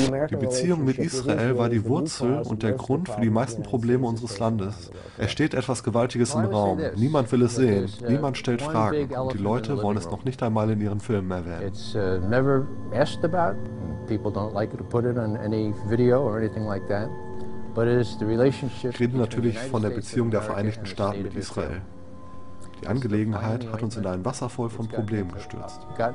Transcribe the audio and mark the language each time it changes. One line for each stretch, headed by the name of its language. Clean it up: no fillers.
German: Die Beziehung mit Israel war die Wurzel und der Grund für die meisten Probleme unseres Landes. Es steht etwas Gewaltiges im Raum. Niemand will es sehen. Niemand stellt Fragen. Und die Leute wollen es noch nicht einmal in ihren Filmen erwähnen.
English: It's never asked about. People don't like to put it on any video or anything like that.
German: Ich rede natürlich von der Beziehung der Vereinigten Staaten mit Israel. Die Angelegenheit hat uns in einen Wasserfall von Problemen gestürzt.